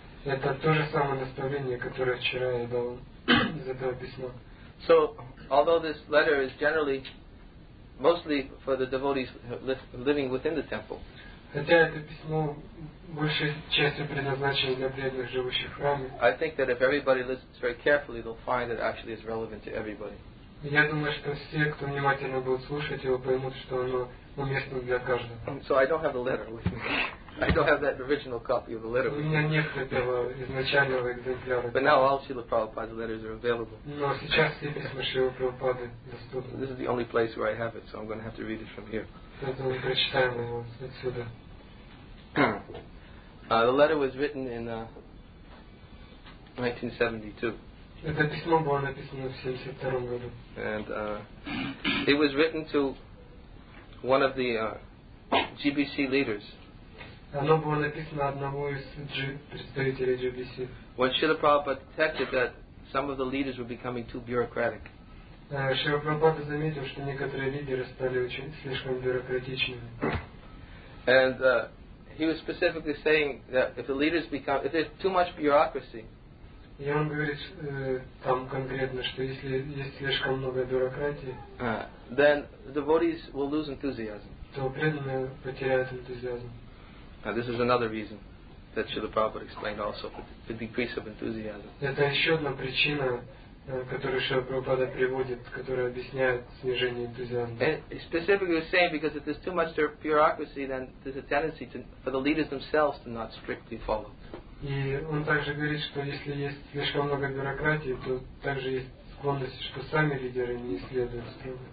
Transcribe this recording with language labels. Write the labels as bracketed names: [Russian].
[Russian] Это то же самое наставление, которое вчера я дал из этого письма. [English] So, although this letter is generally mostly for the devotees living within the temple, [Russian] хотя это письмо большей частью предназначено для преданных, живущих в храме, [English] I think that if everybody listens very carefully, they'll find that actually is relevant to everybody. [Russian] Я думаю, что все, кто внимательно будет слушать его, поймут, что оно уместно для каждого. [English] So I don't have the letter with me. I don't have that original copy of the letter. [Russian] У меня нет этого изначального экземпляра. [English] But now all Srila Prabhupada's letters are available. [Russian] Но сейчас все письма Шрилы Прабхупады доступны. [English] This is the only place where I have it, so I'm going to have to read it from here. [Russian] Поэтому мы прочитаем его отсюда. [English] The letter was written in 1972. [Russian] Это письмо было написано в 72 году. [English] And it was written to one of the GBC leaders. [Russian] Оно было написано одному из представителей GBC. [English] When Srila Prabhupada detected that some of the leaders were becoming too bureaucratic. [Russian] Srila Prabhupada заметил, что некоторые лидеры стали очень слишком бюрократичными. [English] And he was specifically saying that if the leaders become, if there's too much bureaucracy. [Russian] И он говорит там конкретно, что если есть слишком много бюрократии, [English] then the devotees will lose enthusiasm. [Russian] То преданные потеряют энтузиазм. [English] Now this is another reason that Srila Prabhupada explained also, the decrease of enthusiasm. [Russian] Это еще одна причина, которую Шрила Прабхупада приводит, которая объясняет снижение энтузиазма. [English] Specifically saying because if there's too much bureaucracy, then there's a tendency to, for the leaders themselves to not strictly follow. [Russian] И он также говорит, что если есть слишком много бюрократии, то также есть склонность, что сами лидеры не следуют строго.